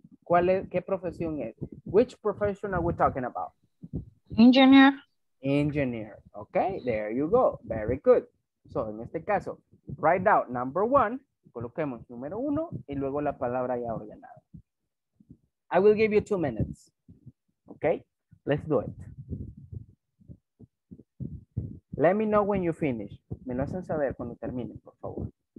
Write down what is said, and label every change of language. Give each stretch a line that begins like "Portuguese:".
Spanish: ¿Cuál es, qué profesión es?
English: Which profession are we talking about? Engineer. Engineer, ok, there you go, very good.
Spanish: So, en este caso,
English: write out number one,
Spanish: coloquemos número uno y luego la palabra ya ordenada.
English: I will give you 2 minutes, ok, let's do it. Let me know when you finish.
Spanish: Me lo hacen saber cuando terminen, por favor.